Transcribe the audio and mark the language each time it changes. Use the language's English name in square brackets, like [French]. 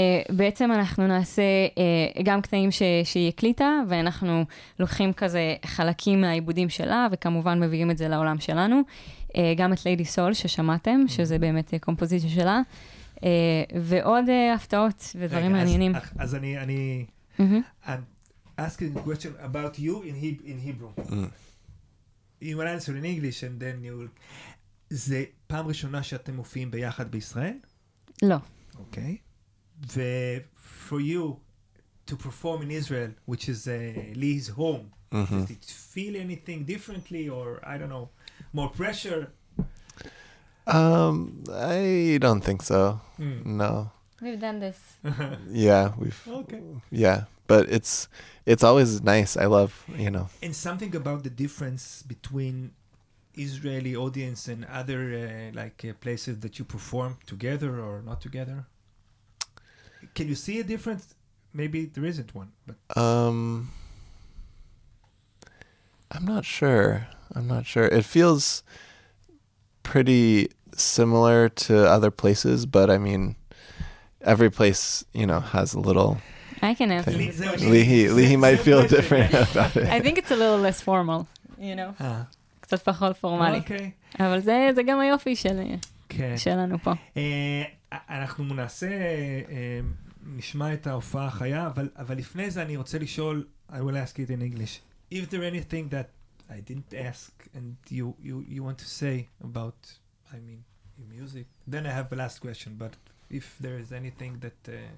[Hebrew] ובעצם אנחנו נעשה גם קטעים שהיא הקליטה, ואנחנו לוקחים כזה חלקים מהעיבודים שלה, וכמובן מביאים את זה לעולם שלנו. גם את Lady Soul ששמעתם, שזה באמת קומפוזיציה שלה. ועוד הפתעות ודברים מעניינים. אז אני... [English] asking a question about you in Hebrew. You will answer in English and then you will... [Hebrew] זה פעם ראשונה שאתם מופיעים ביחד בישראל? לא. אוקיי. [English] ו- for you to perform in Israel, which is Lee's home, does it feel anything differently or, I don't know, more pressure? I don't think so. No. We've done this. Yeah, we've... Okay. Yeah. But it's always nice. I love, you know. And something about the difference between Israeli audience and other places that you perform together or not together. Can you see a difference? Maybe there isn't one. But. I'm not sure. It feels pretty similar to other places, but I mean, every place, you know, has a little... I can answer. Lihi might feel different about it. I think it's a little less formal, you know? [Hebrew] קצת פחות פורמלי. Okay. אבל זה, זה גם היופי של, okay. שלנו פה. אנחנו נעשה, נשמע את ההופעה החיה, אבל, אבל לפני זה אני רוצה לשאול, [English] I will ask it in English, if there anything that I didn't ask and you want to say about, I mean, your music, then I have the last question, but if there is anything that...